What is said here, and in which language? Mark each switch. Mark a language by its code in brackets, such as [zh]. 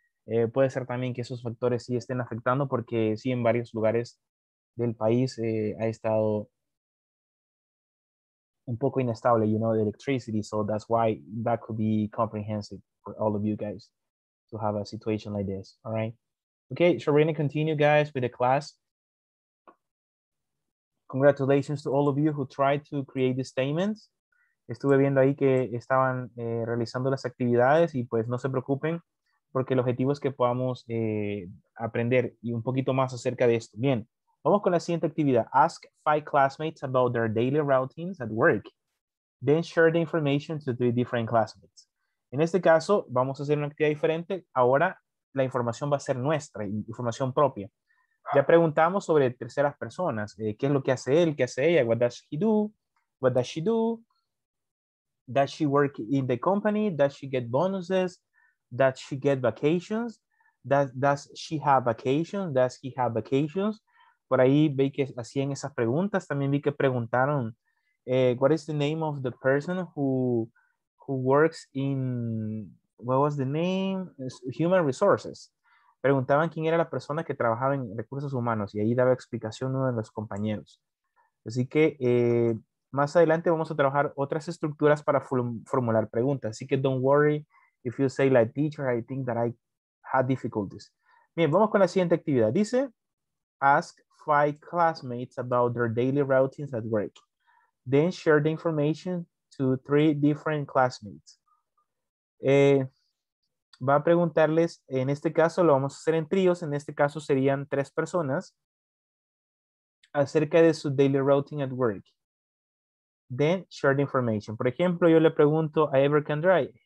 [es] Puede ser también que esos factores sí estén afectando porque sí, en varios lugares del país ha estado un poco inestable, [en] you know, the electricity. So that's why that could be comprehensive for all of you guys to have a situation like this, all right? Okay, so we're gonna continue, guys, with the class. Congratulations to all of you who tried to create the statements. [es] Estuve viendo ahí que estaban realizando las actividades y pues no se preocupen. porque el objetivo es que podamos aprender y un poquito más acerca de esto. Bien, vamos con la siguiente actividad. [en] Ask 5 classmates about their daily routines at work. Then share the information to 3 different classmates. [es] En este caso, vamos a hacer una actividad diferente. Ahora la información va a ser nuestra, información propia. Ya preguntamos sobre terceras personas. ¿Qué es lo que hace él? ¿Qué hace ella? [en] What does he do? What does she do? Does she work in the company? Does she get bonuses? Does she get vacations? Does she have vacations? Does he have vacations? [es] Por ahí vi que hacían esas preguntas. También vi que preguntaron, [en] what is the name of the person who works in, what was the name? Human resources. [es] Preguntaban quién era la persona que trabajaba en recursos humanos y ahí daba explicación uno de los compañeros. Así que más adelante vamos a trabajar otras estructuras para formular preguntas. Así que [en] don't worry if you say like teacher, I think that I had difficulties. [es] Bien, vamos con la siguiente actividad. Dice, [en] ask 5 classmates about their daily routines at work. Then share the information to 3 different classmates. [es] Va a preguntarles, en este caso lo vamos a hacer en tríos, en este caso serían 3 personas, acerca de su [en] daily routine at work. Then share the information. [es] Por ejemplo, yo le pregunto a Ever Can Dry.